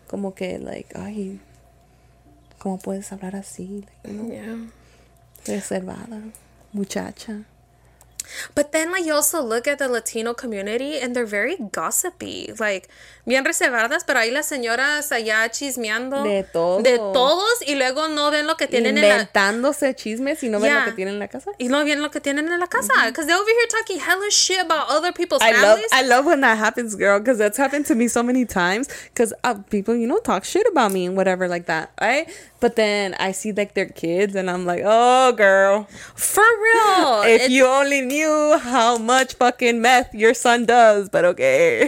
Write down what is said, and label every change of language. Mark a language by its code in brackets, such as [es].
[es] Como que, like, ay, ¿cómo puedes hablar así? [en] Like, you know? Yeah. [es] Reservada. Muchacha. [en] But then, like, you also look at the Latino community, and they're very gossipy. [es] Like, bien reservadas, pero ahí las señoras allá chismeando. De todos. De todos, y luego no ven lo que tienen inventándose en la... chismes y no ven lo que tienen en la casa. Y no ven lo que tienen en la casa. [en] Because they're over here talking hella shit about other people's families. I love when that happens, girl, because that's happened to me so many times. Because people, you know, talk shit about me and whatever like that, right? But then I see, like, their kids, and I'm like, oh, girl. For real. You only knew how much fucking meth your son does, but okay.